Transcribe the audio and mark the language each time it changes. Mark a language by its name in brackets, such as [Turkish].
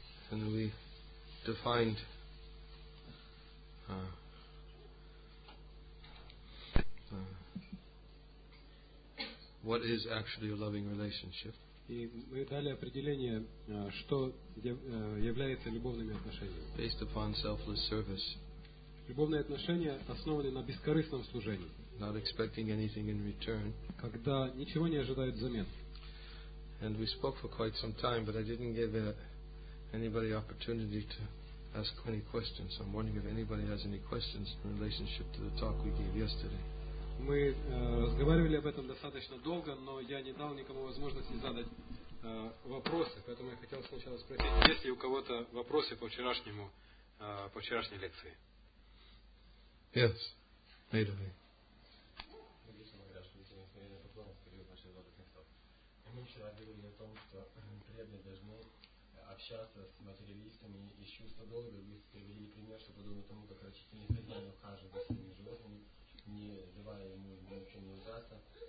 [English] And we defined what is actually a loving relationship. [Russian] И мы дали определение, что является любовными отношениями. [English] Based upon selfless service. [Russian] Любовные отношения основаны на бескорыстном служении. [English] Not expecting anything in return. [Russian] Когда ничего не ожидают взамен. [English] And we spoke for quite some time, but I didn't give anybody opportunity to ask any questions. I'm wondering if anybody has any questions in relationship to the talk we gave yesterday. [Russian] Мы разговаривали об этом достаточно долго, но я не дал никому возможности задать вопросы, поэтому я хотел сначала спросить, есть ли у кого-то вопросы по вчерашнему, по вчерашней лекции? [English] Yes, maybe. [Russian] Я вчера говорил о том, что преданные должны общаться с материалистами из чувства долга, и привели пример, что подобно тому, как рачительный хозяин ухаживает за своими животными, не давая ему ничего не удастся.